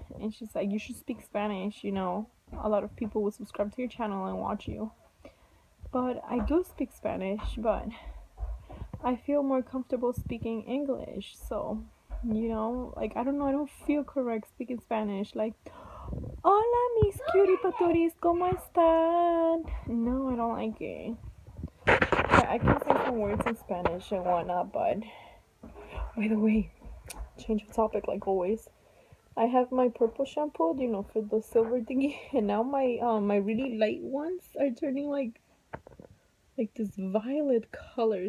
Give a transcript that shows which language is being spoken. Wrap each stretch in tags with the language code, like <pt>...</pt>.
<en>And she's like, you should speak Spanish. You know, a lot of people will subscribe to your channel and watch you. But I do speak Spanish, but I feel more comfortable speaking English. So, you know, like, I don't know. I don't feel correct speaking Spanish.</en> <es>Like, hola mis cutie paturis, como están?</es> <en>No, I don't like it. Yeah, I can say some words in Spanish and whatnot, but by the way, change of topic like always. I have my purple shampoo, you know, for the silver thingy, and now my really light ones are turning like this violet color.</en>